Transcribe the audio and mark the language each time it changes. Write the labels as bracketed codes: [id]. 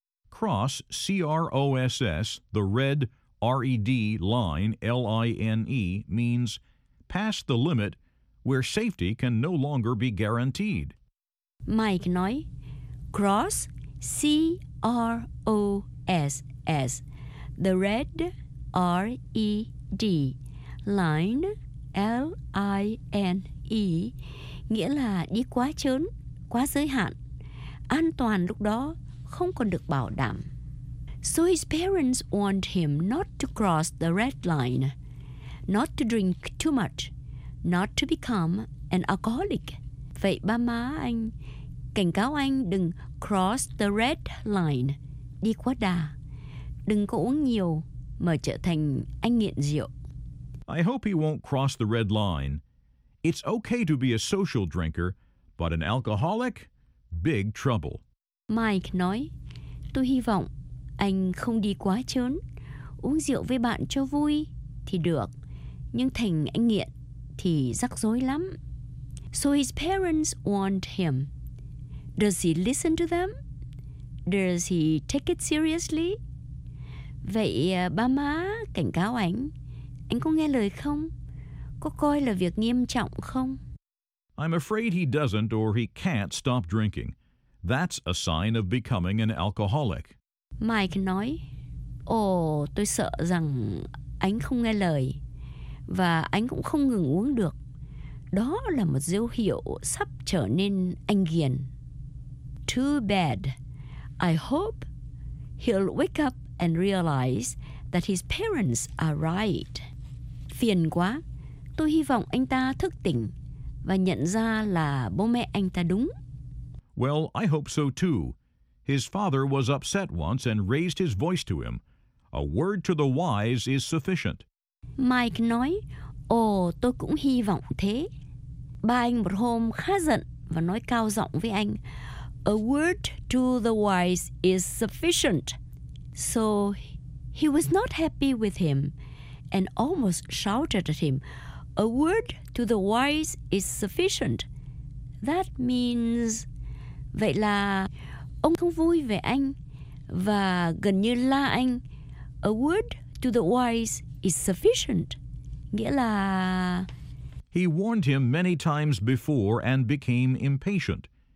[en] cross, C-R-O-S-S, the red, R-E-D, line, L-I-N-E, means past the limit where safety can no longer be guaranteed. [vi] Mike nói cross, C-R-O-S-S, the red, R-E-D, line, L-I-N-E, nghĩa là đi quá chớn, quá giới hạn. An toàn lúc đó không còn được bảo đảm. [en] So his parents warned him not to cross the red line, not to drink too much, not to become an alcoholic. [vi] Vậy ba má anh cảnh cáo anh đừng cross the red line, đi quá đà, đừng có uống nhiều. Mà trở thành anh nghiện rượu. [en] I hope he won't cross the red line. It's okay to be a social drinker, but an alcoholic? Big trouble. [vi] Mike nói, tôi hy vọng anh không đi quá chớn, uống rượu với bạn cho vui thì được, nhưng thành anh nghiện thì rắc rối lắm. [en] So his parents warned him. Does he listen to them? Does he take it seriously? [vi] Vậy ba má cảnh cáo anh có nghe lời không? Có coi là việc nghiêm trọng không? [en] I'm afraid he doesn't or he can't stop drinking. That's a sign of becoming an alcoholic. [vi] Mike nói, tôi sợ rằng anh không nghe lời và anh cũng không ngừng uống được. Đó là một dấu hiệu sắp trở nên anh nghiện. [en] Too bad. I hope he'll wake up and realize that his parents are right. [vi] Phiền quá. Tôi hy vọng anh ta thức tỉnh và nhận ra là bố mẹ anh ta đúng. [en] Well, I hope so too. His father was upset once and raised his voice to him. A word to the wise is sufficient. [vi] Mike nói, tôi cũng hy vọng thế. Ba anh một hôm khá giận và nói cao giọng với anh, [en] a word to the wise is sufficient. So he was not happy with him and almost shouted at him, a word to the wise is sufficient. That means... [vi] Vậy là ông không vui về anh và gần như la anh, [en] a word to the wise is sufficient. [vi] Nghĩa là... [en] He warned him many times before and became impatient.